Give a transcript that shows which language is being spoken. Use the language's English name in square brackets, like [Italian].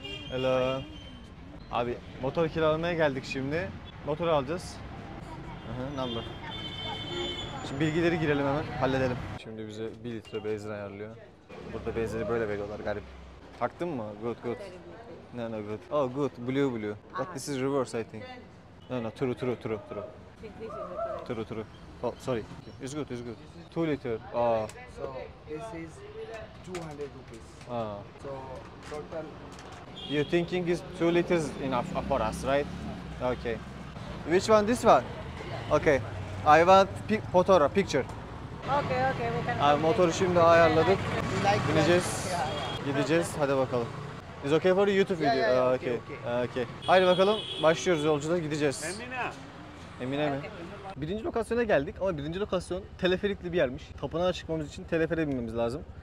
[English] Hello. [Turkish] Abi motor kiralamaya geldik şimdi. Motor alacağız. Number. Şimdi bilgileri girelim hemen, halledelim. Şimdi bize 1 litre benzin ayarlıyor. Burada benzini böyle veriyorlar garip. Taktın mı? [English] Good. No good. Oh good, blue. But this is reverse I think. No, true. I think this is a true. Oh, sorry. It's good. 2 liter. So, this is 200 rupees. So, total... You thinking is 2 liters enough for us, right? Okay. Which one? This one? Okay. I want photo, picture. Okay, we can... [Turkish] Abi, motoru şimdi ayarladık. Bineceğiz. Gideceğiz. Hadi bakalım. [English] Is okay for YouTube video? Okay. [Turkish] Haydi bakalım. Başlıyoruz yolculuğa. Gideceğiz. Emine mi? Birinci lokasyona geldik ama birinci lokasyon teleferikli bir yermiş. Tapınağa çıkmamız için telefere binmemiz lazım.